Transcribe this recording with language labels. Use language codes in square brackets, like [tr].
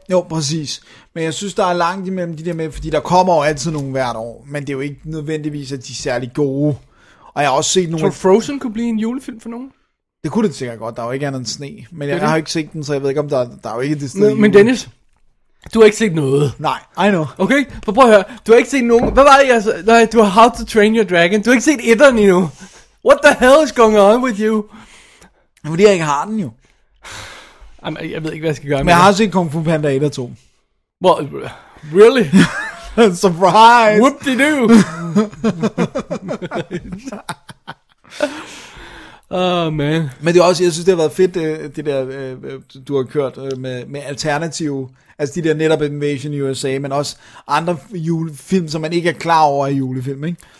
[da] Jo, præcis, men jeg synes, der er langt imellem de der med, fordi der kommer jo altid nogle hvert år, men det er jo ikke nødvendigvis, at de er særlig gode, og jeg har også set nogle... Tror Frozen kunne blive en julefilm for nogen? Det kunne det sikkert godt, der er jo ikke andet end sne, men jeg har ikke set den, så jeg ved ikke, om der er jo ikke det sted. Men Dennis... Du har ikke set noget. [en] Nej, I know. [da] Okay, for prøv at høre. Du har ikke set nogen. Hvad var det, jeg sagde? Nej, du har How to Train Your Dragon. Du har ikke set etteren endnu. [en] What the hell is going on with you? [da] Fordi jeg ikke har den jo. Jamen, jeg ved ikke, hvad jeg skal gøre med det. Men jeg har set Kung Fu Panda 1 og 2. [en] Well, really? Surprise! Whoop-de-doo! Oh, man. [da] Men det er også, jeg synes, det har været fedt, det der, du har kørt med alternative, altså de der netop Invasion USA, men også andre julefilm, som man ikke er klar over i julefilm, ikke?